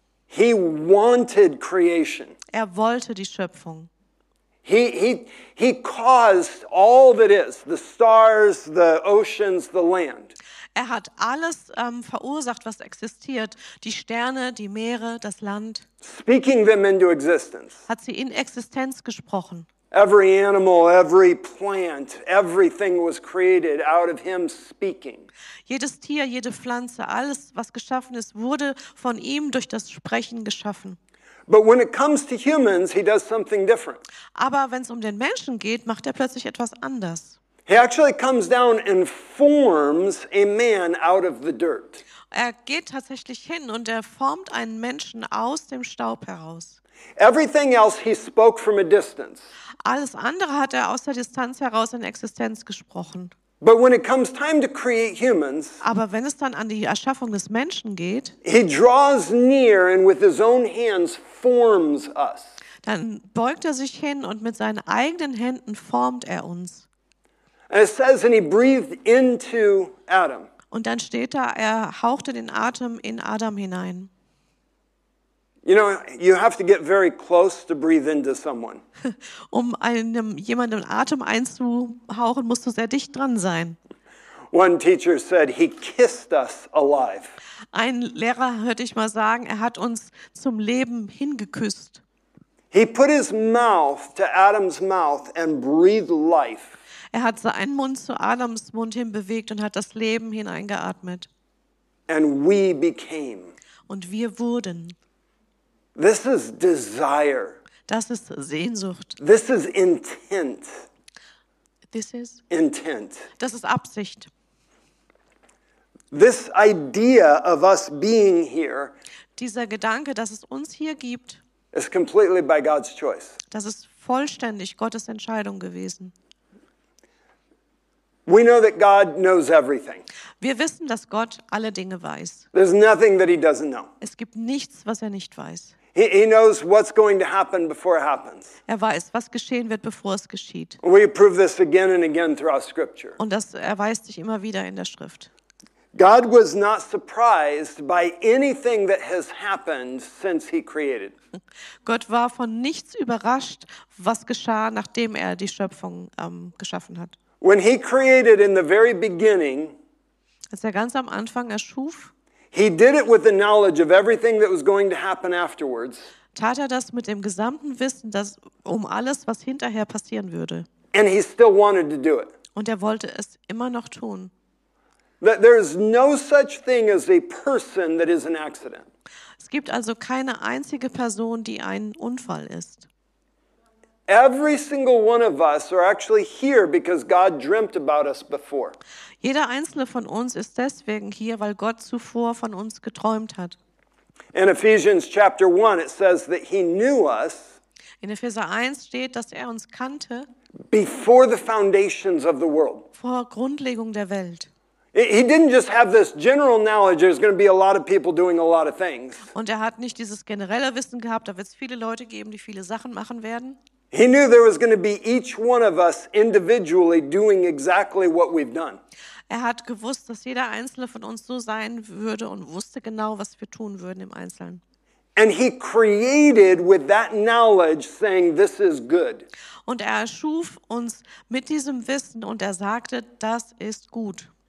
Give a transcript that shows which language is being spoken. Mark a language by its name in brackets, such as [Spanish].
[English] He wanted creation. [German] Er wollte die Schöpfung. [English] He caused all that is, the stars, the oceans, the land. [German] Er hat alles verursacht, was existiert, die Sterne, die Meere, das Land. [English] Speaking them into existence. [German] Hat sie in Existenz gesprochen. [English] Every animal, every plant, everything was created out of him speaking. [German] Jedes Tier, jede Pflanze, alles, was geschaffen ist, wurde von ihm durch das Sprechen geschaffen. [English] But when it comes to humans, he does something different. [German] Aber wenn es um den Menschen geht, macht er plötzlich etwas anders. [English] He actually comes down and forms a man out of the dirt. [German] Er geht tatsächlich hin und er formt einen Menschen aus dem Staub heraus. [English] Everything else he spoke from a distance. [German] Alles andere hat er aus der Distanz heraus in Existenz gesprochen. [English] But when it comes time to create humans, [German] aber wenn es dann an die Erschaffung des Menschen geht, [English] he draws near and with his own hands forms us. [German] Dann beugt er sich hin und mit seinen eigenen Händen formt er uns. [English] And it says, and he breathed into Adam. [German] Und dann steht da, er hauchte den Atem in Adam hinein. [English] You know, you have to get very close to breathe into someone. [German] Um einem jemandem Atem einzuhauchen, musst du sehr dicht dran sein. [English] One teacher said he kissed us alive. [German] Ein Lehrer hörte ich mal sagen, er hat uns zum Leben hingeküsst. [English] He put his mouth to Adam's mouth and breathed life. [German] Er hat seinen Mund zu Adams Mund hin bewegt und hat das Leben hineingeatmet. [English] And we became. [German] Und wir wurden. [English] This is desire. [German] Das ist Sehnsucht. [English] This is intent. This is intent. [German] Das ist Absicht. [English] This idea of us being here. [German] Dieser Gedanke, dass es uns hier gibt. [English] Is completely by God's choice. [German] Das ist vollständig Gottes Entscheidung gewesen. [English] We know that God knows everything. [German] Wir wissen, dass Gott alle Dinge weiß. [English] There's nothing that he doesn't know. [German] Es gibt nichts, was er nicht weiß. [English] He knows what's going to happen before it happens. [German] Er weiß, was geschehen wird, bevor es geschieht. [English] We prove this again and again throughout scripture. [German] Und das erweist sich immer wieder in der Schrift. [English] God was not surprised by anything that has happened since he created. [German] Gott war von nichts überrascht, was geschah, nachdem er die Schöpfung geschaffen hat. [English] When he created in the very beginning, [German] als er ganz am Anfang erschuf, [English] he did it with the knowledge of everything that was going to happen afterwards. [German] Tat er das mit dem gesamten Wissen, dass alles, was hinterher passieren würde. [English] And he still wanted to do it. [German] Und wollte es immer noch tun. [English] That there is no such thing as a person that is an accident. [German] Es gibt also keine einzige Person, die ein Unfall ist. [English] Every single one of us are actually here because God dreamt about us before. [German] Jeder einzelne von uns ist deswegen hier, weil Gott zuvor von uns geträumt hat. [English] In Ephesians chapter 1 it says that he knew us. [German] In Epheser 1 steht, dass uns kannte. [English] Before the foundations of the world. [German] Vor Grundlegung der Welt. [English] He didn't just have this general knowledge. There's going to be a lot of people doing a lot of things. [German] Und hat nicht dieses generelle Wissen gehabt, da wird's viele Leute geben, die viele Sachen machen werden. [English] He knew there was going to be each one of us individually doing exactly what we've done. [German] Hat gewusst, dass jeder einzelne von uns so sein würde und wusste genau, was wir tun würden im Einzelnen. [English] And he created with that knowledge saying this is good. [German] Und erschuf uns mit diesem Wissen und sagte, das ist gut.